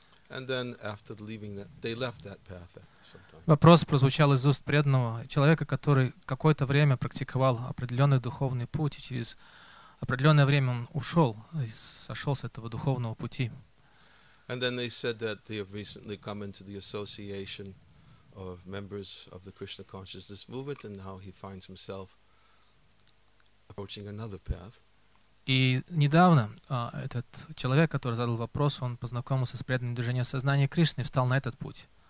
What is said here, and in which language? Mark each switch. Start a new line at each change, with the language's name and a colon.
English: And then after leaving that, they left that path at some time.
Russian: Вопрос прозвучал из уст преданного человека, который какое-то время практиковал определенный духовный путь, и через определенное время он ушел и сошел с этого духовного пути.
English: And then they said that they have recently come into the association of members of the Krishna consciousness movement, and how he finds himself approaching another path.
Russian: И недавно этот человек, который задал вопрос, он познакомился с преданным движением сознания Кришны и встал на этот путь.